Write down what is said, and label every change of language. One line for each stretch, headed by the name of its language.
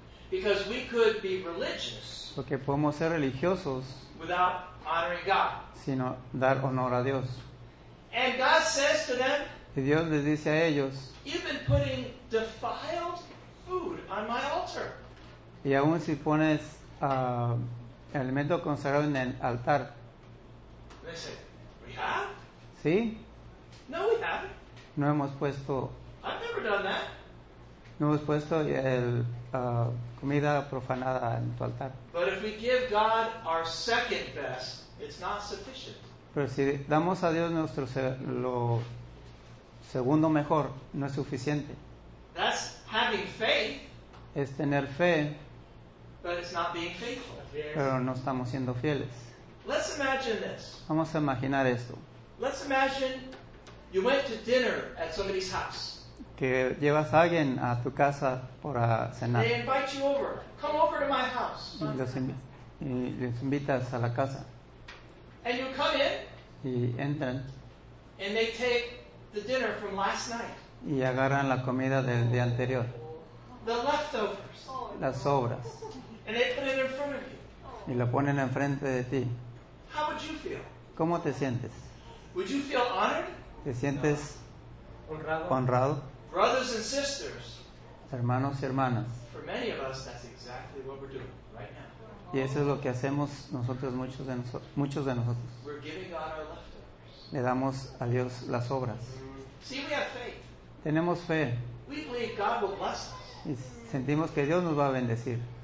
English: Because we could be religious.
Spanish: Porque podemos ser religiosos.
English: Without honoring God.
Spanish: Sino dar honor a Dios.
English: And God says to them.
Spanish: Y Dios les dice a ellos.
English: You've been putting defiled food on my altar.
Spanish: Y aún si pones el alimento consagrado en el altar.
English: Listen, we have?
Spanish: ¿Sí?
English: No, we haven't.
Spanish: No hemos puesto.
English: I've never done that.
Spanish: No hemos puesto el comida profanada en tu altar.
English: But if we give God our second best, it's not sufficient.
Spanish: Pero si damos a Dios nuestro lo segundo mejor, no es suficiente.
English: That's having faith.
Spanish: Es tener fe.
English: But it's not being faithful.
Spanish: Pero no estamos siendo fieles.
English: Let's imagine this.
Spanish: Vamos a imaginar esto.
English: Let's imagine you went to dinner at somebody's house.
Spanish: Que llevas a alguien a tu casa para cenar.
English: They invite you over. Come over to my house.
Spanish: Y les invitas a la casa.
English: And you come in.
Spanish: Y entran.
English: And they take the dinner from last night.
Spanish: Y agarran la comida del día anterior.
English: The leftovers.
Spanish: Las sobras.
English: And they put it in front of you.
Spanish: Y lo ponen enfrente de ti.
English: How would you feel?
Spanish: ¿Cómo te sientes?
English: Would you feel honored?
Spanish: ¿Te sientes honrado?
English: Brothers and sisters.
Spanish: Hermanos y hermanas.
English: For many of us, that's exactly what we're doing right now.
Spanish: Y eso es lo que hacemos nosotros, muchos de nosotros.
English: We're giving God our leftovers.
Spanish: Le damos a Dios las obras.
English: See, we have faith.
Spanish: Tenemos fe.
English: We believe God will bless us.
Spanish: Y sentimos que Dios nos va a bendecir.